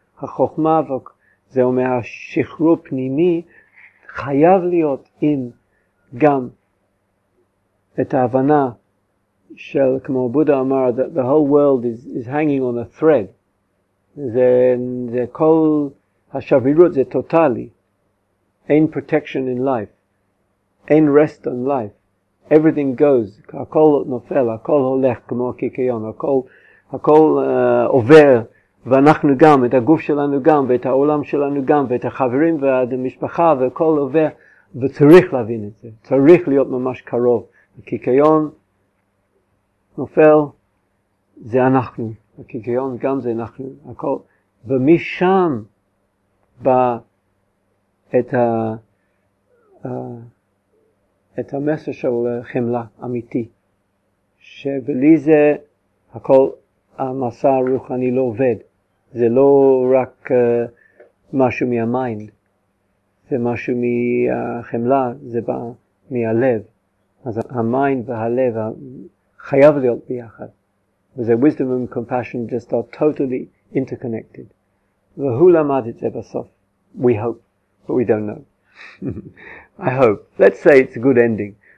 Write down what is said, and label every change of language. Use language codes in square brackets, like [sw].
[he] החוכמה, זה אומר השחרור פנימי, חייב להיות עם גם את ההבנה של, כמו בודה אמר, [en] that the whole world is hanging on a thread. [he] זה כל השבירות, זה טוטלי. אין [en] protection in life. אין rest on life. Everything goes. [he] הכל נופל, הכל הולך כמו הקיקיון, הכל עובר. ואנחנו גם, את הגוף שלנו גם, ואת העולם שלנו גם, ואת החברים ואת המשפחה, וכל עובר, וצריך להבין את זה. צריך להיות ממש קרוב. הקיקיון נופל, זה אנחנו. הקיקיון גם זה אנחנו. הכל. ומשם בא את המסר של חמלה אמיתי, שבלי זה הכל, המסע הרוחני לא עובד. זה לא רק משהו מהמיינד, זה משהו מהחמלה, זה בא מהלב. אז המיינד והלב חייב להיות ביחד. וזה [en] wisdom and compassion just are totally interconnected. [he] והוא למד את זה בסוף. [en] We hope, but we don't know. I hope. Let's say it's a good ending.